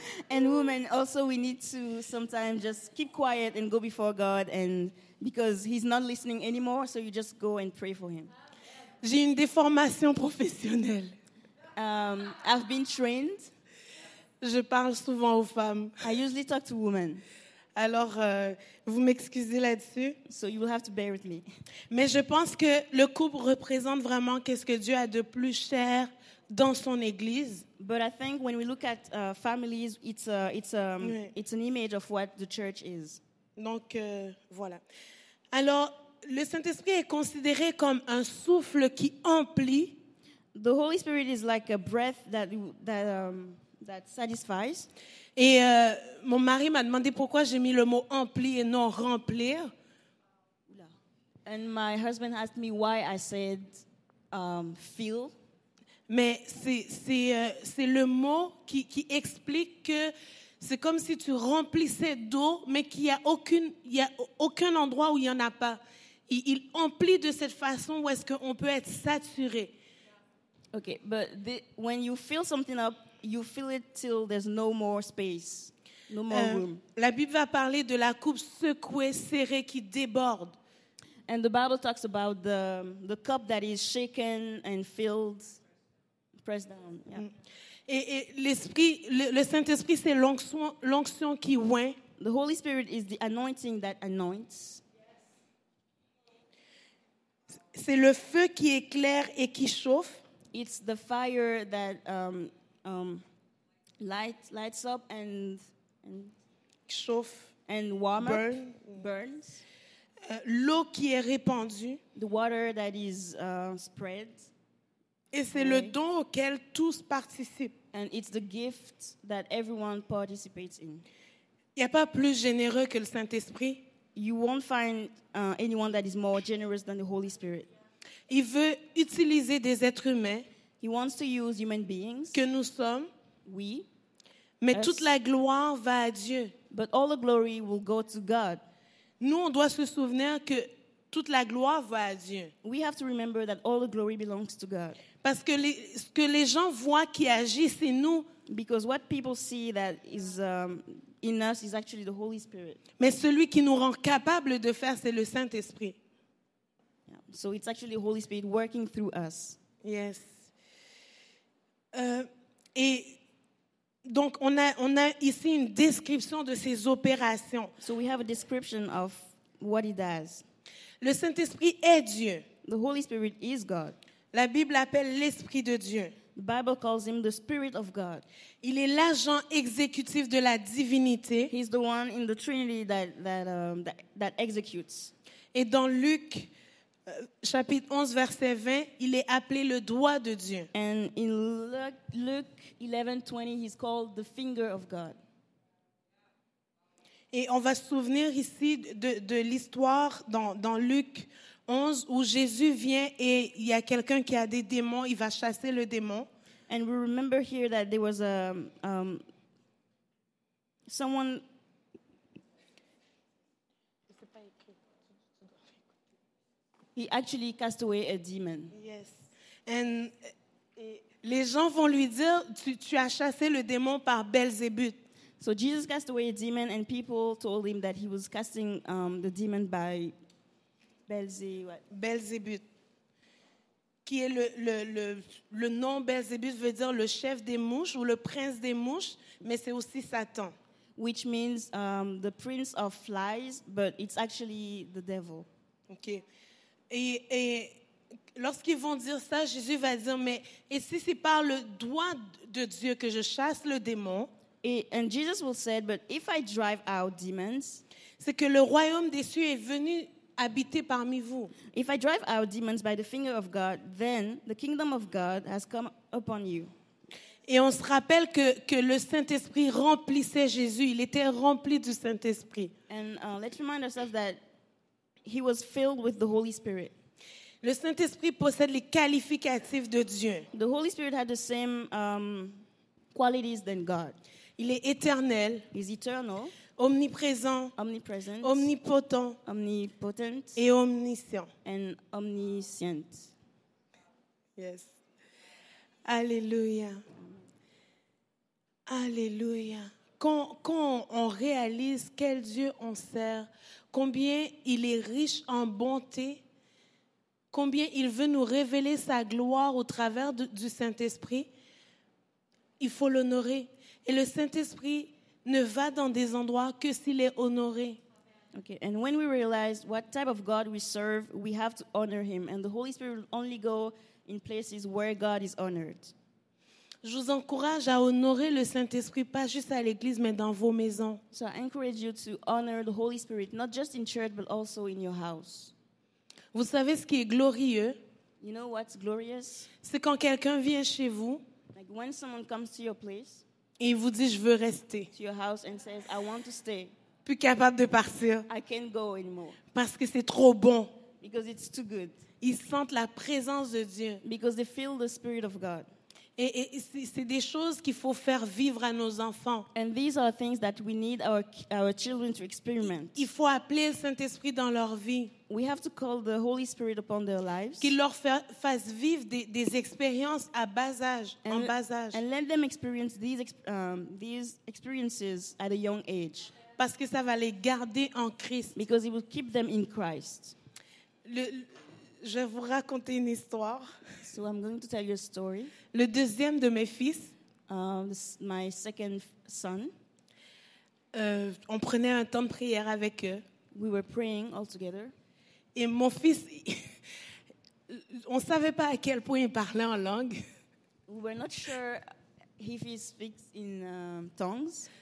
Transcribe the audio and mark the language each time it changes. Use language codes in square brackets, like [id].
[en] And women, also we need to sometimes just keep quiet and go before God, and because he's not listening anymore, so you just go and pray for him. [fr] J'ai une déformation professionnelle. [en] I've been trained. [fr] Je parle souvent aux femmes. [en] I usually talk to women. [fr] Alors, vous m'excusez là-dessus. [en] So you will have to bear with me. [fr] Mais je pense que le couple représente vraiment qu'est-ce que Dieu a de plus cher dans son église. [en] But I think when we look at families, it's an image of what the church is. [fr] Donc, voilà. Alors, le Saint-Esprit est considéré comme un souffle qui emplit. [en] The Holy Spirit is like a breath that satisfies. [fr] Et mon mari m'a demandé pourquoi j'ai mis le mot emplit et non remplir. [en] And my husband asked me why I said feel. [fr] Mais c'est le mot qui explique que c'est comme si tu remplissais d'eau, mais qu'il y a aucun endroit où il y en a pas. Il emplit de cette façon où est-ce qu'on peut être saturé. [en] Okay, but when you fill something up, you fill it till there's no more space, no more room. [fr] La Bible va parler de la coupe secouée, serrée, qui déborde. [en] And the Bible talks about the cup that is shaken and filled, pressed down. Yeah. [fr] Et l'esprit, le Saint-Esprit, c'est l'onction qui oint. [en] The Holy Spirit is the anointing that anoints. [fr] C'est le feu qui éclaire et qui chauffe. [en] It's the fire that lights up and [fr] chauffe [en] and warm burn. Up burns. [fr] L'eau qui est répandue. [en] The water that is spread. [fr] Et c'est le don auquel tous participent. [en] And it's the gift that everyone participates in. [fr] Il y a pas plus généreux que le Saint-Esprit. [en] You won't find anyone that is more generous than the Holy Spirit. [fr] Il veut utiliser des êtres humains. [en] He wants to use human beings. [fr] Que nous sommes. [en] We. [fr] Mais [en] us. [fr] Toute la gloire va à Dieu. [en] But all the glory will go to God. [fr] Nous, on doit se souvenir que toute la gloire va à Dieu. [en] We have to remember that all the glory belongs to God. [fr] Parce que ce que les gens voient qui agit, c'est nous. [en] Because what people see that is in us is actually the Holy Spirit. [fr] Mais celui qui nous rend capable de faire, c'est le Saint-Esprit. [en] Yeah. So it's actually the Holy Spirit working through us. Yes. [fr] Et donc on a ici une description de ses opérations. [en] So we have a description of what he does. [fr] Le Saint-Esprit est Dieu. [en] The Holy Spirit is God. [fr] La Bible appelle l'Esprit de Dieu. [en] The Bible calls him the Spirit of God. [fr] Il est l'agent exécutif de la divinité. [en] He's the one in the Trinity that executes. [fr] Et dans Luc chapitre 11 verset 20, il est appelé le doigt de Dieu. [en] And in Luke 11:20, he's called the finger of God. [fr] Et on va se souvenir ici de l'histoire dans Luc 11 où Jésus vient et il y a quelqu'un qui a des démons, il va chasser le démon. [en] And we remember here that there was a someone. He actually cast away a demon. Yes. And [fr] les gens vont lui dire, tu as chassé le démon par Belzébuth. [en] So Jesus cast away a demon, and people told him that he was casting the demon by [fr] Belzébuth, qui est le nom Belzébuth veut dire le chef des mouches ou le prince des mouches, mais c'est aussi Satan. [en] Which means the prince of flies, but it's actually the devil. Okay. [fr] Et lorsqu'ils vont dire ça, Jésus va dire, mais et si c'est par le doigt de Dieu que je chasse le démon? [en] And Jesus will say, but if I drive out demons, [fr] c'est que le royaume des cieux est venu habiter parmi vous. [en] If I drive out demons by the finger of God, then the kingdom of God has come upon you. [fr] Et on se rappelle que le Saint-Esprit remplissait Jésus. Il était rempli du Saint-Esprit. [en] And let's remind ourselves that he was filled with the Holy Spirit. [fr] Le Saint-Esprit possède les qualificatifs de Dieu. [en] The Holy Spirit had the same qualities than God. [fr] Il est éternel, [en] is eternal, [fr] omniprésent, [en] omnipresent, [fr] omnipotent, [en] omnipotent, [fr] et omniscient. [en] And omniscient. Yes. [fr] Alléluia. Alléluia. Quand on réalise quel Dieu on sert, combien il est riche en bonté, combien il veut nous révéler sa gloire au travers du Saint-Esprit, il faut l'honorer. Et le Saint-Esprit ne va dans des endroits que s'il est honoré. [en] Okay, and when we realize what type of God we serve, we have to honor him. And the Holy Spirit will only go in places where God is honored. [fr] Je vous encourage à honorer le Saint-Esprit, pas juste à l'église, mais dans vos maisons. [en] So I encourage you to honor the Holy Spirit, not just in church, but also in your house. [fr] Vous savez ce qui est glorieux? [en] You know what's glorious? [fr] C'est quand quelqu'un vient chez vous. [en] Like when someone comes to your place. [fr] Et il vous dit, je veux rester. [en] To your house and says, I want to stay. [fr] Plus capable de partir. [en] I can't go anymore. [fr] Parce que c'est trop bon. [en] Because it's too good. [fr] Ils sentent la présence de Dieu. [en] Because they feel the spirit of God. [fr] Et c'est des choses qu'il faut faire vivre à nos enfants. [en] And these are things that we need our children to experiment. [fr] Il faut appeler le Saint-Esprit dans leur vie. [en] We have to call the Holy Spirit upon their lives. [fr] Qu'il leur fasse vivre des expériences à bas âge, en bas âge. [en] And let them experience these experiences at a young age. [fr] Parce que ça va les garder en Christ. [en] Because it will keep them in Christ. [fr] Je vais vous raconter une histoire. [en] So I'm going to tell you a story. [fr] Le deuxième de mes fils, [en] my second son, [fr] on prenait un temps de prière avec eux. [en] We were praying all together. [fr] Et mon fils, on savait pas à quel point il parlait en langue. [en] We were not sure if he speaks in tongues.